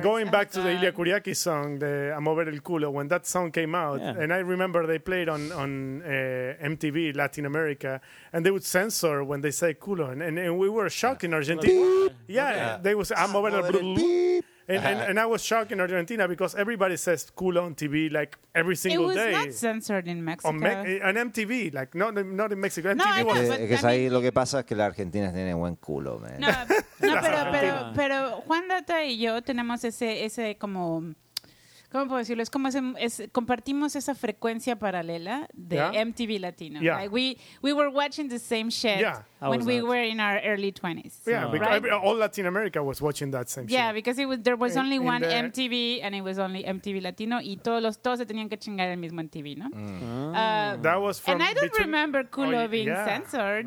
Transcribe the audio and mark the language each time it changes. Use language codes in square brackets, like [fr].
[en] Going back to the Silvia Curiaque song, the Amover el culo, when that song came out, and I remember they played on MTV Latin America, and they would censor when they say culo, and we were shocked in Argentina. They would say amover el culo, and I was shocked in Argentina because everybody says culo on TV like every single day. It was not censored in Mexico on MTV, like not in Mexico. MTV no, was I guess, but [es] lo que pasa es que la Argentina tiene buen culo, man. No, No, pero Juan Data y yo tenemos ese como, ¿cómo puedo decirlo? Es como compartimos esa frecuencia paralela de MTV Latino. [en] Yeah. Like we were watching the same shit when we were in our early 20s. Yeah, right? All Latin America was watching that same shit. Yeah, because there was only one MTV and it was only MTV Latino y todos se tenían que chingar el mismo MTV, ¿no? Mm. That was from and I don't remember Kulo being censored.